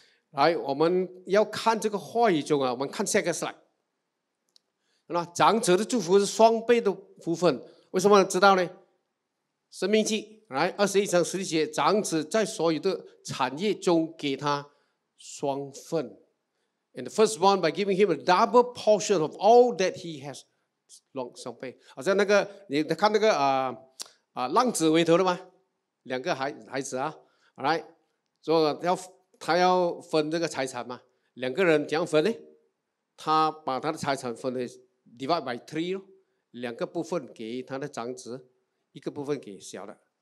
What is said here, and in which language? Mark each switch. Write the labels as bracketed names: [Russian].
[Chinese] 来，我们要看这个话语中啊，我们看下个 slide。那长者的祝福是双倍的福分，为什么知道呢？生命记来21:16，长子在所有的产业中给他双份。 [English] And the first one by giving him a double portion of all that he has， [Chinese] 双倍。好像那个你看那个浪子回头了吗？两个孩子啊，来，说要。他要分这个财产嘛？两个人怎样分呢？他把他的财产分的 [English] divide by three [Chinese] 咯，两个部分给他的长子，一个部分给小的。